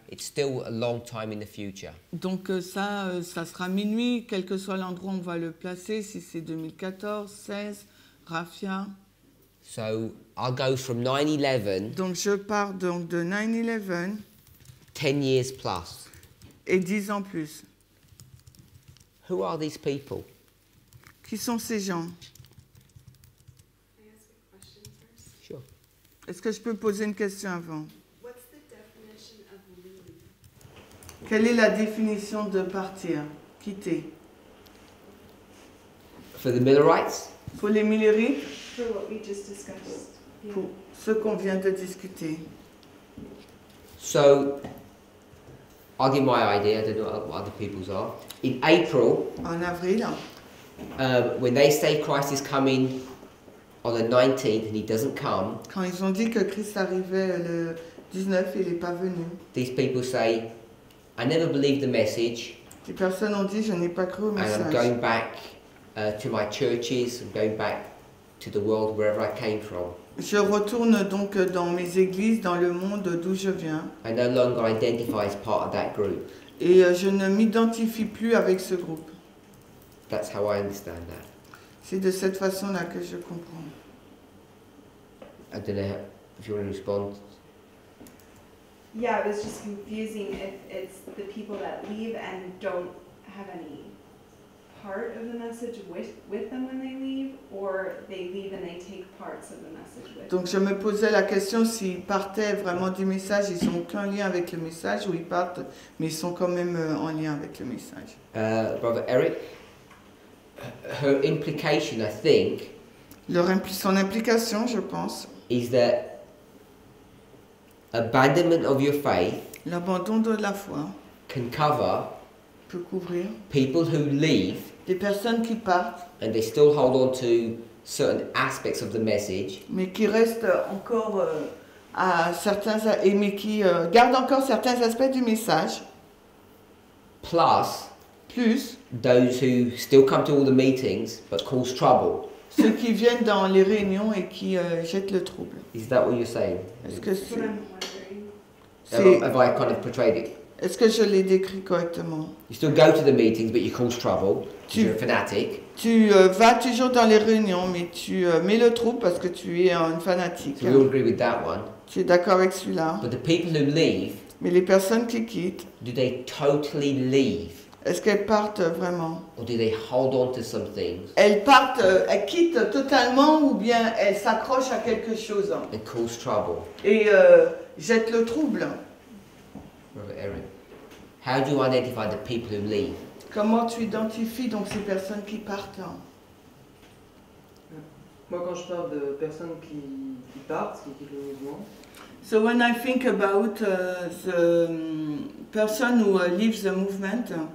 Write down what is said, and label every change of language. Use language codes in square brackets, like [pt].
[en] It's still a long time in the future. [fr] Donc ça sera minuit, quel que soit l'endroit où on va le placer, si c'est 2014, 16, Raphia. [en] So I'll go from 9/11. [fr] Donc je pars donc de 9/11. [en] 10 years plus. [fr] Et 10 ans plus. [en] Who are these people? [fr] Qui sont ces gens? Est-ce que je peux poser une question avant? [en] What's the definition of leaving? [fr] Quelle est la définition de partir, quitter? [en] For the Millerites? [fr] Pour les Millerites? [en] For what we just discussed. Yeah. [fr] Pour ce qu'on vient de discuter. [en] So, I'll give my idea, I don't know what other people's are. In April, [fr] en avril, [en] when they say Christ is coming on the 19th and he doesn't come, [fr] quand ils ont dit que Christ arrivait le 19, il est pas venu. [en] These people say, I never believed the message. [fr] Les personnes ont dit, je n'ai pas cru au message. [en] And I'm going back to my churches, I'm going back to the world wherever I came from. [fr] Je retourne donc dans mes églises, dans le monde d'où je viens. [en] I no longer identify as part of that group. [fr] Et je ne m'identifie plus avec ce groupe. [en] That's how I understand that. [fr] C'est de cette façon-là que je comprends. [en] I don't know if you want to respond. Yeah, it was just confusing if it's the people that leave and don't have any part of the message with them when they leave, or they leave and they take parts of the message with them. [fr] Donc je me posais la question s'ils partaient vraiment du message, ils n'ont aucun lien avec le message, ou ils partent, mais ils sont quand même en lien avec le message. [en] Brother Eric, her implication, I think, [fr] son implication, je pense, [en] is that abandonment of your faith, [fr] l'abandon de la foi, [en] can cover [fr] peut couvrir [en] people who leave, [fr] des personnes qui partent, [en] and they still hold on to certain aspects of the message, [fr] mais qui restent encore à certains, et mais qui gardent encore certains aspects du message, [en] plus those who still come to all the meetings but cause trouble. [fr] Ceux qui viennent dans les réunions et qui jettent le trouble. [en] Is that what you're saying? [fr] Est-ce que [en] have I kind of portrayed it? [fr] Est-ce que je l'ai décrit correctement? [en] You still go to the meetings but you cause trouble. You're a fanatic. [fr] Tu vas toujours dans les réunions mais tu mets le trouble parce que tu es un fanatique. [en] So we all agree with that one. [fr] Tu es d'accord avec celui-là? [en] But the people who leave. [fr] Mais les personnes qui quittent. [en] Do they totally leave? [fr] Est-ce qu'elles partent vraiment? [en] Or do they hold on to some things? [fr] Elles partent, elles quittent totalement ou bien elles s'accrochent à quelque chose. [en] And cause trouble. [fr] Et jettent le trouble. [en] Brother Aaron, how do you identify the people who leave? [fr] Comment tu identifies donc ces personnes qui partent? Moi, quand je parle de personnes qui partent, qui quittent le mouvement. [en] So when I think about the person who leaves the movement.